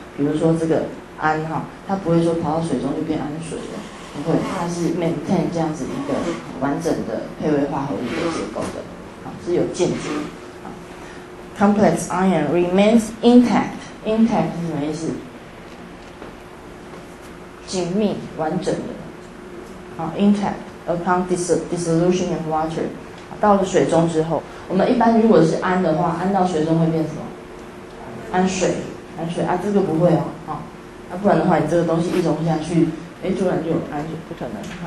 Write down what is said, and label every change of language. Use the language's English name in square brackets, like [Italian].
[Chinese] 比如说这个氨哈，它不会说跑到水中就变氨水了，不会，它是 maintain 这样子一个完整的配位化合物的结构的，是有间接。 [English] Complex ion remains intact. Intact [Chinese] 是什么意思？紧密、完整的。 [English] Intact upon dissolution in water. [Chinese] 到了水中之后，我们一般如果是氨的话，氨到水中会变什么？氨水，氨水啊，这个不会哦。不然的话，你这个东西一溶下去，突然就有氨水，不可能。